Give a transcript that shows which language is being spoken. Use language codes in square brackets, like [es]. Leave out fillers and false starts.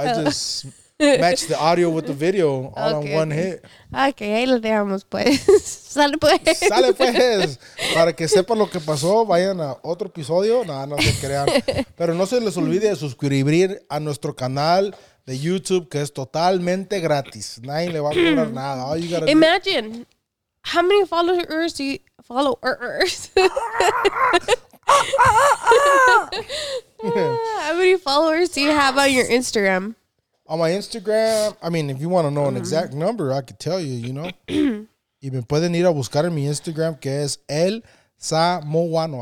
[en] I just match the audio with the video all okay, on one hit. [es] Okay, ahí lo dejamos, pues. Sale, pues. Sale, pues. Para que sepan lo que pasó, vayan a otro episodio. Nada, no se crean. Pero no se les olvide de suscribir a nuestro canal de YouTube, que es totalmente gratis. Nadie le va a cobrar nada. [en] All you gotta do. Imagine. How many followers do you... Followers? How many followers do you have on your Instagram? On my Instagram? I mean, if you want to know an exact number, I could tell you, you know? [es] Y me pueden ir a buscar en mi Instagram, que es El Samoano.